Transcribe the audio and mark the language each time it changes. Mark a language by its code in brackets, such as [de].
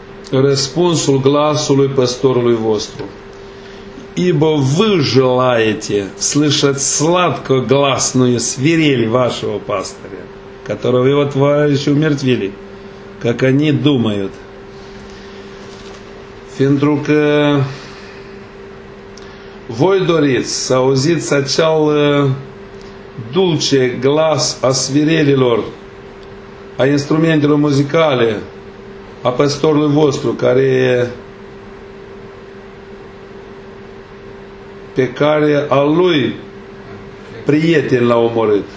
[ro] Răspunsul glasului păstorului vostru. [ru] Ибо вы желаете слышать сладко гласную свирель вашего пастыря, которого его товарищи умертвили, как они думают. [ro] Pentru că voi doriți să auziți acel dulce glas a svirelilor, a instrumentelor muzicale, a păstorului vostru, care pe care a lui prieten l-a omorât.